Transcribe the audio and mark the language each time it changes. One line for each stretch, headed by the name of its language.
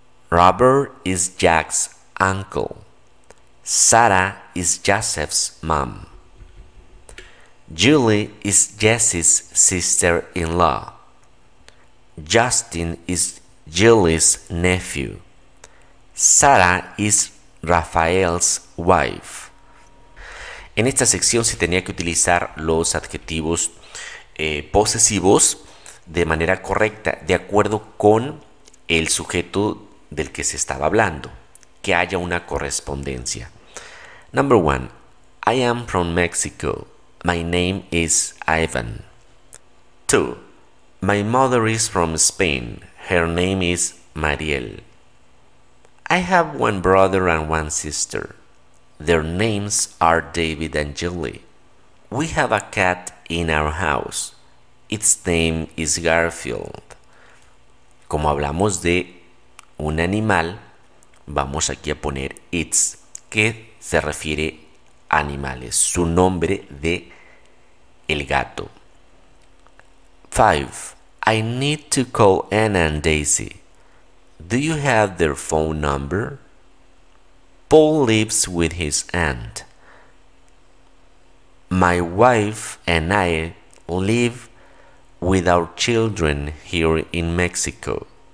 English: Robert is Jack's uncle. Sarah is Joseph's mom. Julie is Jesse's sister-in-law. Justin is Julie's nephew. Sarah is Rafael's wife.
Spanish: En esta sección se tenía que utilizar los adjetivos posesivos de manera correcta, de acuerdo con el sujeto del que se estaba hablando, que haya una correspondencia.
English: Number one, I am from Mexico. My name is Ivan. 2. My mother is from Spain. Her name is Mariel. I have one brother and one sister. Their names are David and Julie. We have a cat in our house. Its name is Garfield.
Spanish: Como hablamos de un animal, vamos aquí a poner its, que se refiere a animales, su nombre de el gato. 5.
English: I need to call Anna and Daisy. Do you have their phone number? Paul lives with his aunt. My wife and I live with our children here in Mexico.